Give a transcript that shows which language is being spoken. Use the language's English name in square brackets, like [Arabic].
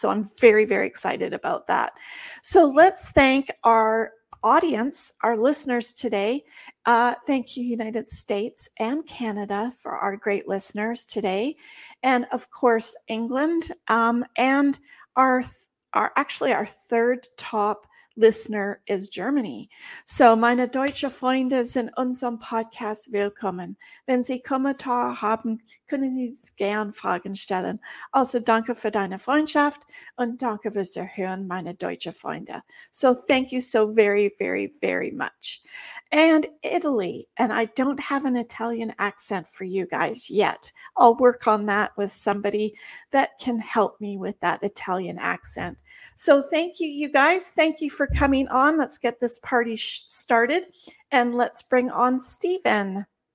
[English] So I'm very, very excited about that. So let's thank our audience, our listeners today. Thank you, United States and Canada, for our great listeners today. And of course, England, and our third top listener is Germany. [German] So, meine deutsche Freunde sind unserem Podcast willkommen. Wenn Sie Kommentar haben, können Sie gern Fragen stellen. Also, danke für deine Freundschaft und danke fürs Zuhören, meine deutsche Freunde. [English] So, thank you so very, very, very much. And Italy, and I don't have an Italian accent for you guys yet. I'll work on that with somebody that can help me with that Italian accent. So thank you, you guys. Thank you for coming on. Let's get this party started and let's bring on Stephen.